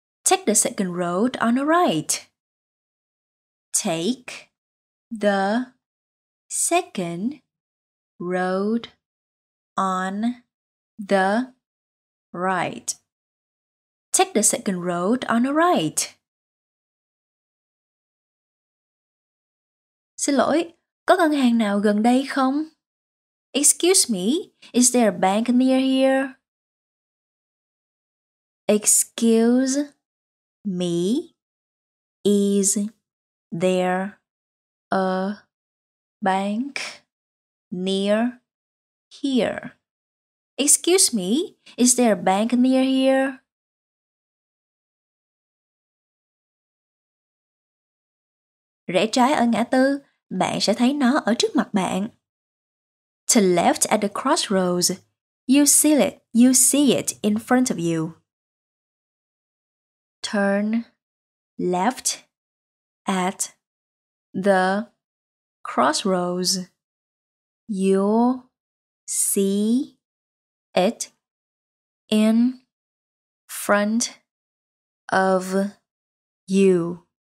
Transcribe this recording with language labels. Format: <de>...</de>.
<en>Take the second road on the right. Take the second road on the right. Take the second road on the right.</en> <vi>Xin lỗi, có ngân hàng nào gần đây không?</vi> <en>Excuse me, is there a bank near here? Excuse me, is there a bank near here? Excuse me, is there a bank near here?</en> <vi>Rẽ trái ở ngã tư, bạn sẽ thấy nó ở trước mặt bạn.</vi> <en>To left at the crossroads, you see it in front of you. Turn left at the crossroads, you'll see it in front of you.</en>